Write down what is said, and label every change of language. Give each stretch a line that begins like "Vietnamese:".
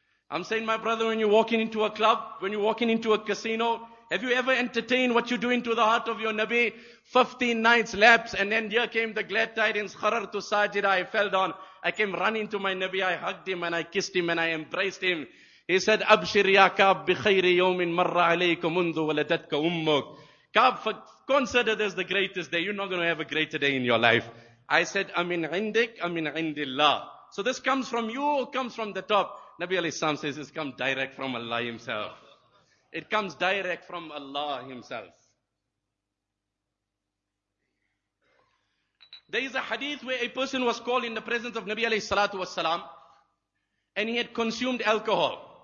English: I'm saying, my brother, when you're walking into a club, when you're walking into a casino, have you ever entertained what you do into the heart of your Nabi? 15 nights lapse, and then here came the glad tidings,
Arabic: خَرَرْتُ سَاجِدَ.
English: I fell down. I came running to my Nabi. I hugged him and I kissed him and I embraced him. He said,
Arabic: أَبْشِرْ يَا كَعْبْ بِخَيْرِ يَوْمٍ مَرَّ عَلَيْكُ مُنْذُ وَلَدَتْكَ أُمُّكُ.
English: Kaab, consider this the greatest day. You're not going to have a greater day in your life. I said,
Arabic: أَمِنْ عِنْدِكْ أَمِنْ عِنْدِ اللَّهِ.
English: So this comes from you or comes from the top? Nabi alayhi salam says, it's come direct from Allah himself. It comes direct from Allah himself. There is a hadith where a person was called in the presence of Nabi alayhi salatu was salam and he had consumed alcohol.